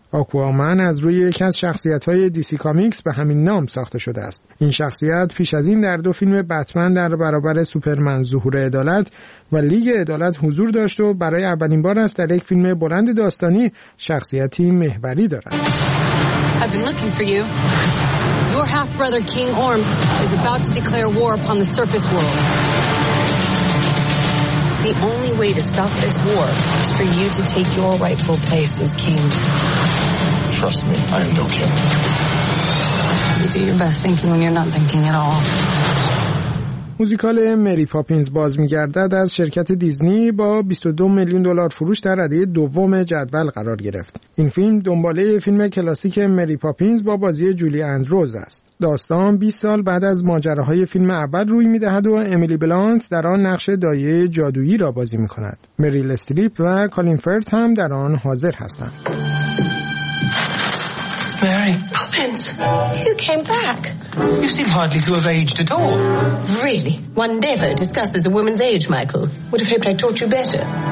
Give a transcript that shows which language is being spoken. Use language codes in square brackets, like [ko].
[fa] آکوامن از روی یکی از شخصیت‌های دی‌سی کامیکس به همین نام ساخته شده است. این شخصیت پیش از این در دو فیلم بتمن در برابر سوپرمن ظهور عدالت و لیگ عدالت حضور داشت و برای اولین بار است در یک فیلم بلند داستانی شخصیتی محوری دارد. [en] I've been looking for you. Your half-brother King Orm is about to declare war upon the surface world. The only way to stop this war is for you to take your rightful place as king. Trust me, I am no king. You do your best thinking when you're not thinking at all. [fa] موزیکال مری پاپینز باز می‌گردد از شرکت دیزنی با 22 میلیون دلار فروش در رده دوم جدول قرار گرفت. این فیلم دنباله فیلم کلاسیک مری پاپینز با بازی جولی اندروز است. داستان 20 سال بعد از ماجراهای فیلم اول روی می‌دهد و امیلی بلانت در آن نقش دایه جادویی را بازی می‌کند. مریل استریپ و کالین فرت هم در آن حاضر هستند. [en] Mary Poppins, you came back. You seem hardly to have aged at all. Really? One never discusses a woman's age, Michael. Would have hoped I taught you better.